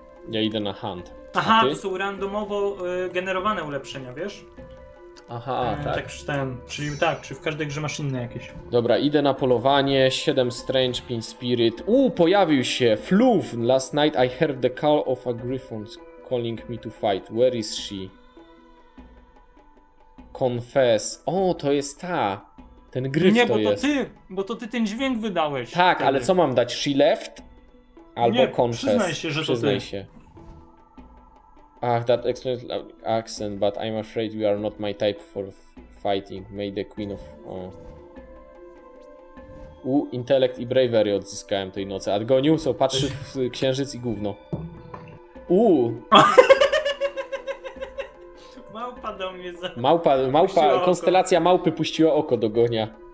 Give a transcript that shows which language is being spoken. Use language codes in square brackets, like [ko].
[pl] Ja idę na hunt. Aha, to są randomowo generowane ulepszenia, wiesz? Aha, tak. Tak czytałem. Czyli tak, czy w każdej grze masz inne jakieś. Dobra, idę na polowanie. 7 Strange, 5 Spirit. Pojawił się! Fluff! [en] Last night I heard the call of a griffon calling me to fight. Where is she? [pl] Confess. O, to jest ta! Ten gryf nie, to jest. Nie, bo to ty ten dźwięk wydałeś. Tak, wtedy. Ale co mam dać? [en] She left? [pl] Albo nie, [en] confess. [pl] Przyznaj się, że przyznaj to ty. Się. [en] Ach, that explains the accent, but I'm afraid we are not my type for fighting. May the queen of... [pl] intellect i bravery odzyskałem tej nocy. A gonił, co? Patrzy w księżyc i gówno. Małpa do mnie za... Małpa, konstelacja oko. Małpy puściła oko do gonia.